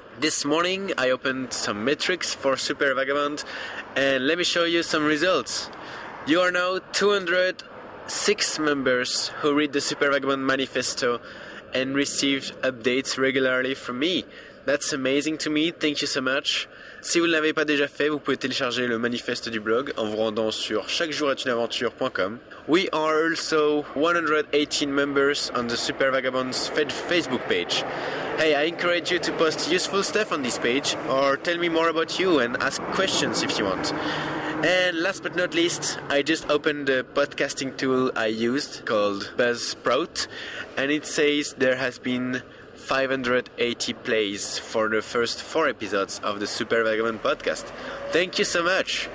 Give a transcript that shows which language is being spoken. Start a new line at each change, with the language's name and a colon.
English: This morning, I opened some metrics for Super Vagabond, and let me show you some results. You are now 206 members who read the Super Vagabond Manifesto and receive updates regularly from me. That's amazing to me. Thank you so much.
French: Si vous ne l'avez pas déjà fait, vous pouvez télécharger le manifeste du blog en vous rendant sur chaquejouretuneaventure.com.
English: We are also 118 members on the Super Vagabond's Facebook page. Hey, I encourage you to post useful stuff on this page or tell me more about you and ask questions if you want. And last but not least, I just opened a podcasting tool I used called Buzzsprout, and it says there has been 580 plays for the first 4 episodes of the Super Vagabond Podcast. Thank you so much!